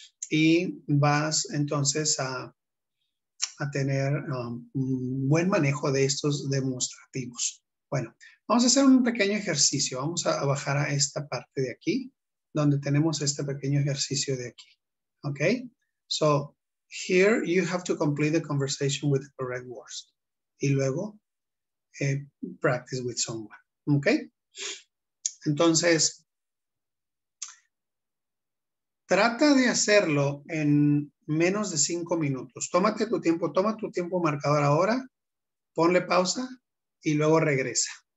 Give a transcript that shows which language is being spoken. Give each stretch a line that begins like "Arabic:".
Spanish: Y vas entonces a tener un buen manejo de estos demostrativos. Bueno, vamos a hacer un pequeño ejercicio. Vamos a bajar a esta parte de aquí, donde tenemos este pequeño ejercicio de aquí. ¿Ok?
English: So here you have to complete the conversation with the correct words.
Spanish: Y luego
English: practice with someone. ¿Ok?
Spanish: Entonces, trata de hacerlo en menos de 5 minutos. Tómate tu tiempo, toma tu tiempo marcador ahora, ponle pausa y luego regresa.